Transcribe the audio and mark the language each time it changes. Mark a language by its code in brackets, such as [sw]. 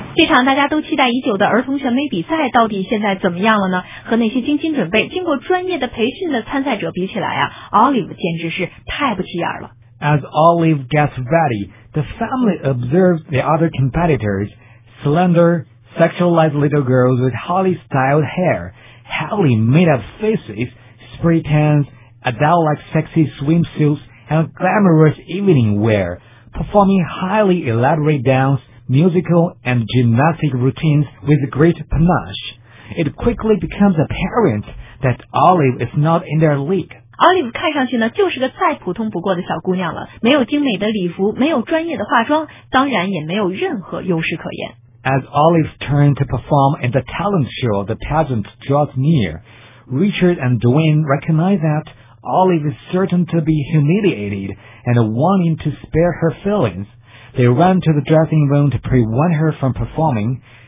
[zh] 这场大家都期待已久的儿童选美比赛到底现在怎么样了呢？和那些精心准备经过专业的培训的参赛者比起来啊， Olive 简直是太不起眼了。 [en] As Olive gets ready, the family observes the other competitors, slender, sexualized little girls with highly styled hair, heavily made-up faces, spray tans, adult-like sexy swimsuits, and glamorous evening wear, performing highly elaborate dance, musical, and gymnastic routines with great panache. It quickly becomes apparent that Olive is not in their league. [zh] Olive 看上去呢就是个再普通不过的小姑娘了，没有精美的礼服，没有专业的化妆，当然也没有任何优势可言。 [en] As Olive's turn to perform in the talent show, the pageant draws near. Richard and Dwayne recognize that Olive is certain to be humiliated and wanting to spare her feelings. They run to the dressing room to prevent her from performing.